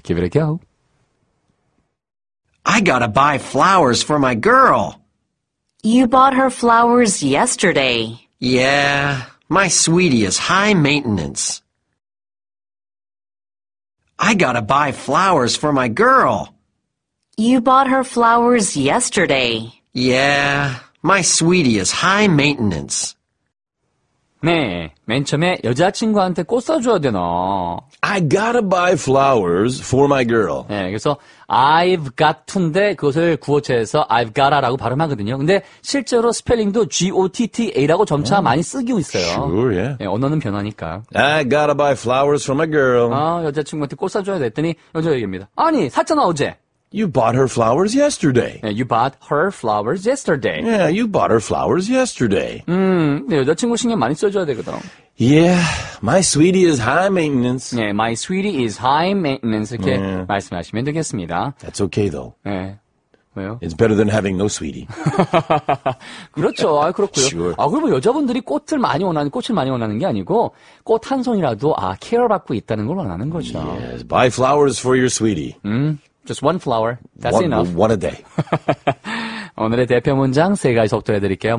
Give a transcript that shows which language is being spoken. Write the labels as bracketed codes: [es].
[en] Give it a go. I gotta buy flowers for my girl. You bought her flowers yesterday. Yeah, my sweetie is high maintenance. I gotta buy flowers for my girl. You bought her flowers yesterday. Yeah, my sweetie is high maintenance. [ko] 네, 맨 처음에 여자친구한테 꽃 사줘야 되나. [en] I gotta buy flowers for my girl. [ko] 네, 그래서 [en] I've got to [ko] 인데 그것을 구어체에서 [en] I've gotta [ko] 라고 발음하거든요. 근데 실제로 스펠링도 G-O-T-T-A라고 점차 yeah. 많이 쓰고 있어요. [en] Sure, yeah. [ko] 네, 언어는 변하니까. [en] I gotta buy flowers for my girl. [ko] 아, 여자친구한테 꽃 사줘야 됐더니 여자 얘기입니다. 아니, 샀잖아, 어제. [en] You bought her flowers yesterday. Yeah, you bought her flowers yesterday. Yeah, you bought her flowers yesterday. [ko] 네, 여자친구 신경 많이 써줘야 되거든. [en] Yeah, my sweetie is high maintenance. 네, my sweetie is high maintenance. [ko] 이렇게 yeah. 말씀하시면 되겠습니다. [en] That's okay though. [ko] 네. 왜요? [en] It's better than having no sweetie. [ko] 그렇죠. 아, 그렇고요. [en] Sure. [ko] 아, 그리고 여자분들이 꽃을 많이 원하는, 꽃을 많이 원하는 게 아니고, 꽃 한 송이라도, 아, 케어 받고 있다는 걸 원하는 거죠. [en] Yes, buy flowers for your sweetie. Just one flower. That's one, enough. One a day. [ko] 오늘의 대표 문장 세 가지 속도해드릴게요.